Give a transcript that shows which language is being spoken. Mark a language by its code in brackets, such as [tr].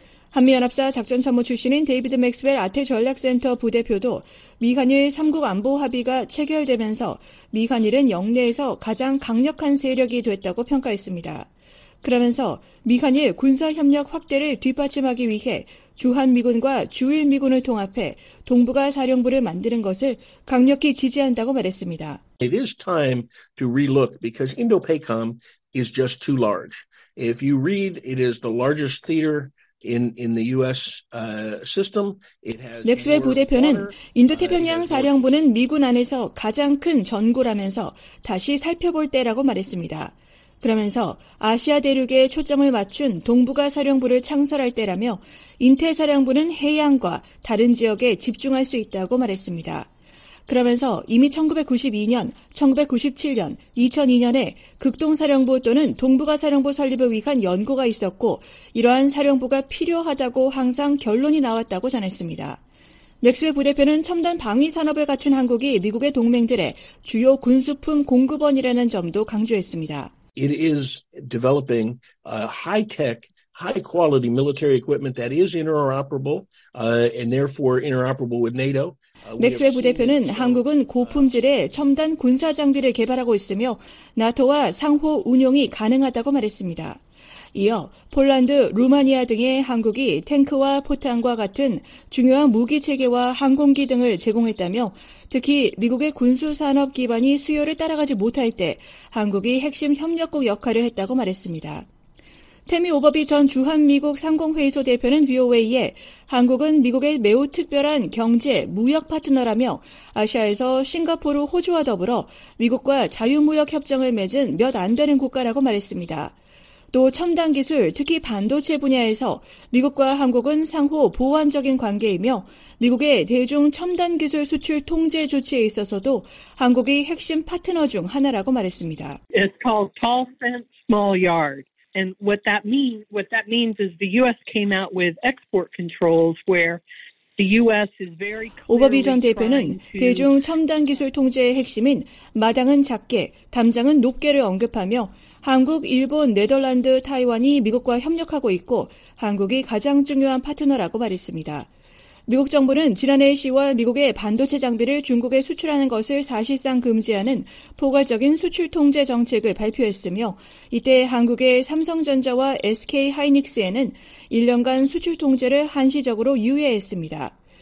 [ko] 한미연합사 작전참모 출신인 데이비드 맥스웰 아태 전략센터 부대표도 미한일 3국 안보 합의가 체결되면서 미한일은 영내에서 가장 강력한 세력이 됐다고 평가했습니다. 그러면서 미한일 군사협력 확대를 뒷받침하기 위해 주한미군과 주일미군을 통합해 동북아 사령부를 만드는 것을 강력히 지지한다고 말했습니다. [en] It is time to relook because Indo-PACOM is just too large. If you read, it is the largest theater in the US system. It has [ko] 맥스웰 부대표는 인도태평양 사령부는 미군 안에서 가장 큰 전구라면서 다시 살펴볼 때라고 말했습니다. 그러면서 아시아 대륙에 초점을 맞춘 동북아 사령부를 창설할 때라며 인태 사령부는 해양과 다른 지역에 집중할 수 있다고 말했습니다. 그러면서 이미 1992년, 1997년, 2002년에 극동사령부 또는 동북아사령부 설립을 위한 연구가 있었고 이러한 사령부가 필요하다고 항상 결론이 나왔다고 전했습니다. 맥스웰 부대표는 첨단 방위산업을 갖춘 한국이 미국의 동맹들의 주요 군수품 공급원이라는 점도 강조했습니다. [en] It is developing a high-tech, high-quality military equipment that is interoperable and therefore interoperable with NATO. [ko] 맥스웰 부대표는 한국은 고품질의 첨단 군사 장비를 개발하고 있으며 나토와 상호 운용이 가능하다고 말했습니다. 이어 폴란드, 루마니아 등의 한국이 탱크와 포탄과 같은 중요한 무기체계와 항공기 등을 제공했다며 특히 미국의 군수산업 기반이 수요를 따라가지 못할 때 한국이 핵심 협력국 역할을 했다고 말했습니다. 태미 오버비 전 주한미국 상공회의소 대표는 VOA에 한국은 미국의 매우 특별한 경제, 무역 파트너라며 아시아에서 싱가포르, 호주와 더불어 미국과 자유무역협정을 맺은 몇 안 되는 국가라고 말했습니다. 또 첨단 기술, 특히 반도체 분야에서 미국과 한국은 상호 보완적인 관계이며 미국의 대중 첨단 기술 수출 통제 조치에 있어서도 한국이 핵심 파트너 중 하나라고 말했습니다. [en] It's called tall fence, small yard. And what that means is the U.S. came out with export controls where the U.S. is very clearly. [ko] 오버비 전 대표는 대중 첨단 기술 통제의 핵심인 마당은 작게, 담장은 높게를 언급하며 한국, 일본, 네덜란드, 타이완이 미국과 협력하고 있고 한국이 가장 중요한 파트너라고 말했습니다. 미국 정부는 지난해 10월 미국의 반도체 장비를 중국에 수출하는 것을 사실상 금지하는 포괄적인 수출 통제 정책을 발표했으며 이때 한국의 삼성전자와 SK하이닉스에는 1년간 수출 통제를 한시적으로 유예했습니다.